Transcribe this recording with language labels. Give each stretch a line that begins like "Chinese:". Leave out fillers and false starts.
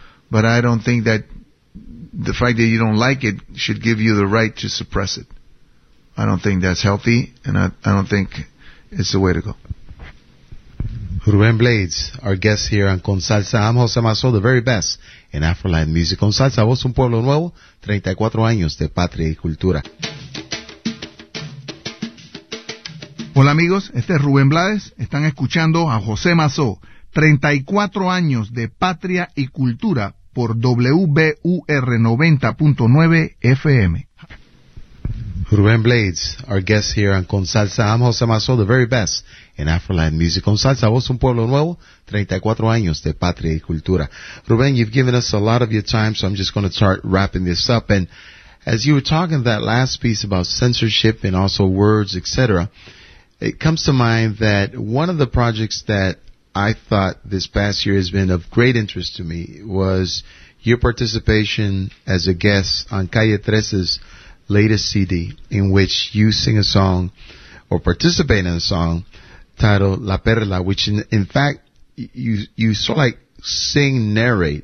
English: But I don't think that the fact that you don't like it should give you the right to suppress it. I don't think that's healthy, and I don't think it's the way to go. Rubén Blades, our guest here on Con Salsa. I'm José Mazo, the very best in Afro-Latin music.
Spanish: Con Salsa, vos un pueblo nuevo, 34 años de patria y cultura. Hola amigos, este es Rubén Blades. Están escuchando a José Mazó, 34 años de patria y cultura por WBUR 90.9 FM.
English: Rubén Blades, our guest here on Con Salsa. I'm José Mazó, the very best in Afro-Latin music.
Spanish: Con Salsa, vos un pueblo nuevo, 34 años de patria y cultura.
English: Rubén, you've given us a lot of your time, so I'm just going to start wrapping this up. And as you were talking that last piece about censorship and also words, etc., it comes to mind that one of the projects that I thought this past year has been of great interest to me was your participation as a guest on Calle 13's latest CD, in which you sing a song or participate in a song titled La Perla, which in fact you sort of like sing, narrate.